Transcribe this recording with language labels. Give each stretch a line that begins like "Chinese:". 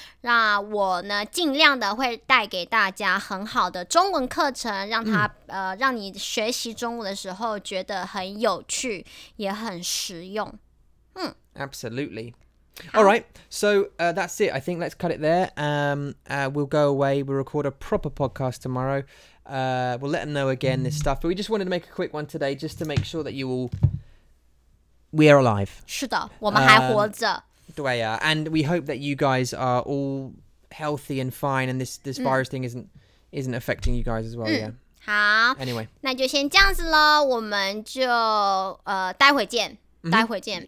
Chinese: 那我呢，尽量的会带给大家很好的中文课程，让他让你学习中文的时候觉得很有趣，也很实用。
English: Absolutely. All right. So that's it. I think let's cut it there. We'll go away. We'll record a proper podcast tomorrow. We'll let them know again this stuff, but we just wanted to make a quick one today just to make sure that we are alive.
Chinese: 是的，我们还活着。对啊,
English: and we hope that you guys are all healthy and fine, and this virus thing isn't affecting you guys as well. Yeah.
Chinese: 好。
English: Anyway.
Chinese: 那就先这样子咯，我们就待会见，待会见。